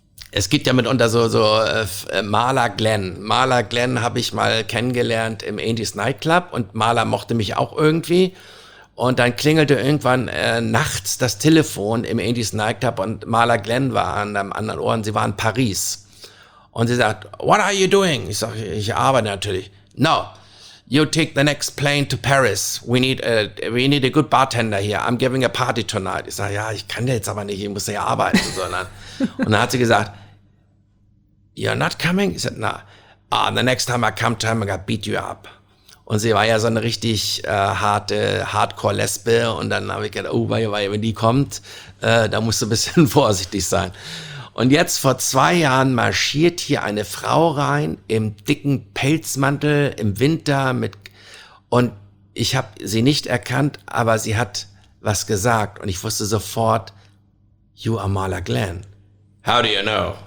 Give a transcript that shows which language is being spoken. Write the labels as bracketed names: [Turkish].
[German] Es gibt ja mitunter Marla Glenn habe ich mal kennengelernt im Andy's Nightclub und Marla mochte mich auch irgendwie. Und dann klingelte irgendwann nachts das Telefon im Andy's Nightclub und Marla Glenn war an einem anderen Ohr und sie war in Paris. Und sie sagt, [English] what are you doing? [German] Ich sage, ich arbeite natürlich. [English] No, you take the next plane to Paris. We need a good bartender here. I'm giving a party tonight. [German] Ich sage, ja, ich kann ja jetzt aber nicht, ich muss ja arbeiten. Sondern. Und dann hat sie gesagt, [English] you're not coming? [German] Ich sage, [English] no, the next time I come to him, I'm gonna beat you up. [German] Und sie war ja so eine richtig harte Hardcore-Lesbe. Und dann habe ich gedacht, oh, weil wenn die kommt, da musst du ein bisschen vorsichtig sein. [English] Und jetzt vor 2 Jahren marschiert hier eine Frau rein im dicken Pelzmantel im Winter mit [German] und ich habe sie nicht erkannt, aber sie hat was gesagt und ich wusste sofort, [English] you are Marla Glenn. How do you know?